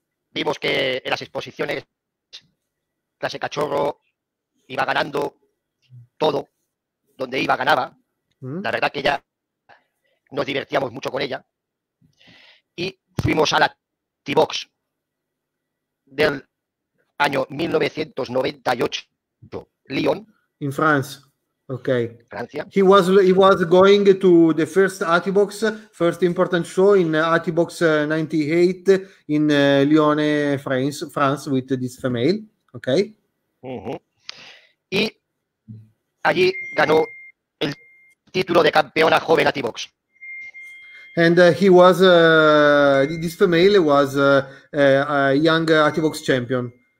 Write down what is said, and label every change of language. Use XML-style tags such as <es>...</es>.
<es>Vimos que en las exposiciones clase cachorro iba ganando todo, donde iba ganaba. La verdad que ya nos divertíamos mucho con ella y fuimos a la T-Box del año 1998, Lyon,</es> <en>in France. Okay.</en> <es>Francia.</es> <en>He was going to the first T-Box, first important show in T-Box 98 in Lyon, France with this female. Okay. Uh-huh.</en> <es>Y allí ganó el título de campeona joven a T-Box.</es> <en>And he was this female was a young T-Box champion.</en>